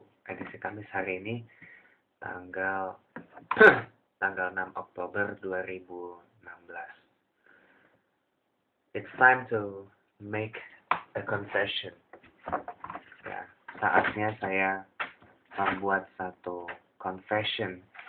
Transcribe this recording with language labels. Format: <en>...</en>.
<id>Edisi Kamis hari ini tanggal 6 Oktober 2016.</id> <en>It's time to make a confession.</en> <id>Ya, saatnya saya membuat satu confession.</id>